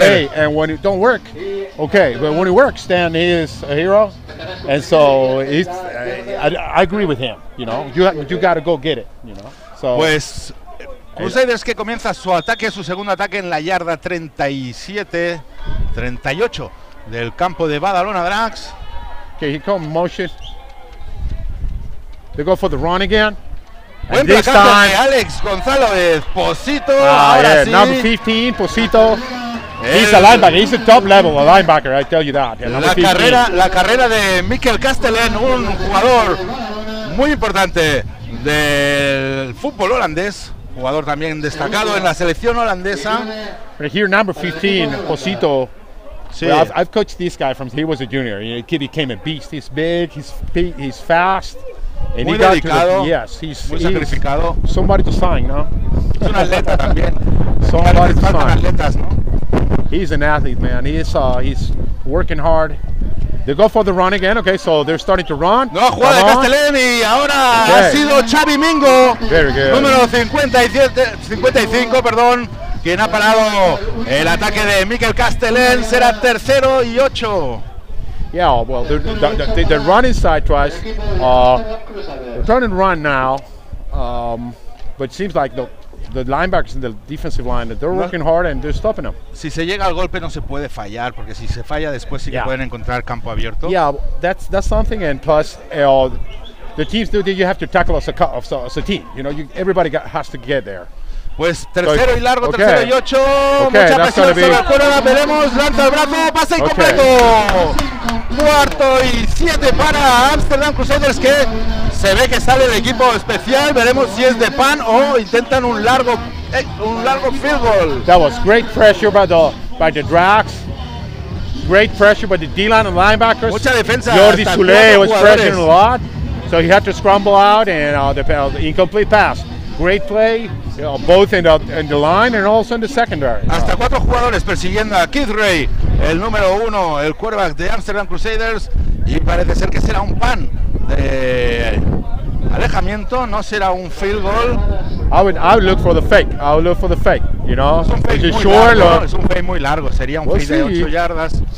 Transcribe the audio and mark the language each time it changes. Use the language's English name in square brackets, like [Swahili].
[English] Hey, and when it don't work, okay, but when it works, then he is a hero. And so I agree with him, you know. You got to go get it, you know. So, [Spanish] pues, Crusaders que comienza su ataque, su segundo ataque en la yarda 37-38 del campo de Badalona Drax. [English] Okay, he come motion. They go for the run again. [Spanish] Buen placaje de Alex Gonzalo de Posito. [English] Number 15, Posito. He's a linebacker, he's a top level a linebacker, I tell you that. [Spanish] La carrera de Mikel Castellén, un jugador muy importante del fútbol holandés, jugador también destacado en la selección holandesa. [English] Right here, number 15, Posito. Sí. Well, I've coached this guy from he was a junior. You know, kid became a beast. He's big, he's fast. [Spanish] And muy dedicado, muy sacrificado. [English] Somebody to sign, ¿no? [Spanish] Es un atleta también. [English] Somebody to sign. [Spanish] Atletas, ¿no? [English] He's an athlete, man. He's working hard. They go for the run again, okay? So they're starting to run. [Spanish] No, jugada de Castellén y ahora okay. Ha sido Xavi Mingo. [English] Very good. [Spanish] Número 55, perdón. Quien ha parado el ataque de Mikel Castellén. Será tercero y 8. [English] Yeah, well, they run inside twice. They're turning run now, but it seems like the linebackers in the defensive line, they're working hard and they're stopping them. [Spanish] Si se llega al golpe, no se puede fallar, porque si se falla después sí que pueden encontrar campo abierto. [English] Yeah, that's something, and plus, the teams do that you have to tackle as a team. You know, everybody has to get there. [Spanish] Pues tercero y largo, okay. Tercero y 8. Okay, mucha presión sobre la cuerda, veremos, lanza el brazo, pase incompleto. Okay. Cuarto y 7 para Amsterdam Crusaders, que se ve que sale el equipo especial. Veremos si es de pan o intentan un largo field goal. [English] That was great pressure by the Drax. Great pressure by the D-line and linebackers. [Spanish] Mucha defensa. [English] Jordi Soule was pressing a lot, so he had to scramble out and the incomplete pass. Great play, you know, both in the line and also in the secondary. [Spanish] Hasta cuatro jugadores persiguiendo a Keith Ray, el número uno, el quarterback de Amsterdam Crusaders, y parece ser que será un pan de alejamiento, no será un field goal. [English] I would look for the fake. I would look for the fake. You know, [Spanish] es un fake muy largo. Sería un fake de 8 yardas.